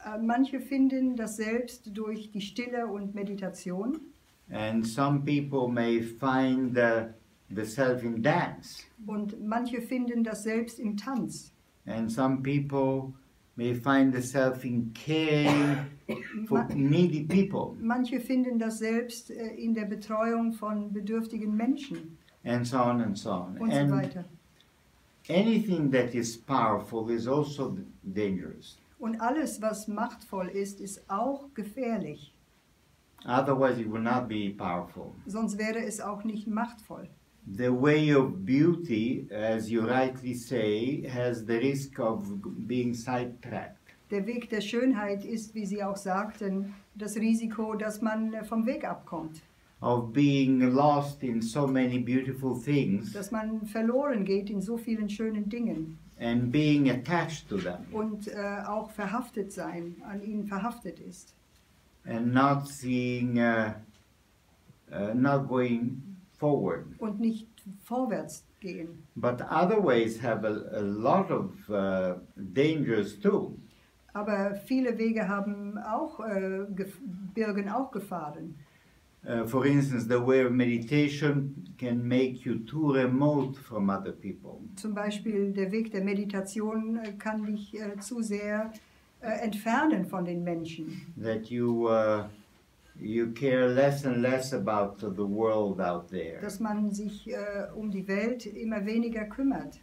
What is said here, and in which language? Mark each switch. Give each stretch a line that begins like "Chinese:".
German: Manche finden das Selbst durch die Stille und Meditation.
English: And some people may find the self in dance.
German: Und manche finden das Selbst im Tanz.
English: And some people may find the self in caring for needy people.
German: Manche finden das Selbst in der Betreuung von bedürftigen Menschen.
English: And so on and so on.
German: Und so weiter.
English: Anything that is powerful is also dangerous.
German: Und alles, was machtvoll ist, ist auch gefährlich.
English: Otherwise it would not be powerful.
German: Sonst wäre es auch nicht machtvoll.
English: The way of beauty, as you rightly say, has the risk of being sidetracked.
German: Der Weg der Schönheit ist, wie Sie auch sagten, das Risiko, dass man vom Weg abkommt.
English: Of being lost in so many beautiful things.
German: Dass man verloren geht in so vielen schönen Dingen.
English: And being attached to them.
German: Und auch verhaftet sein, an ihnen verhaftet ist.
English: And not seeing, not going forward.
German: Und nicht vorwärts gehen.
English: But other ways have a lot of dangers too.
German: Aber viele Wege haben auch, birgen auch Gefahren.
English: For instance, the way of meditation can make you too remote from other people.
German: Zum Beispiel der Weg der Meditation kann dich zu sehr entfernen von den Menschen.
English: That you you care less and less about the world out there.
German: Dass man sich um die Welt immer weniger kümmert.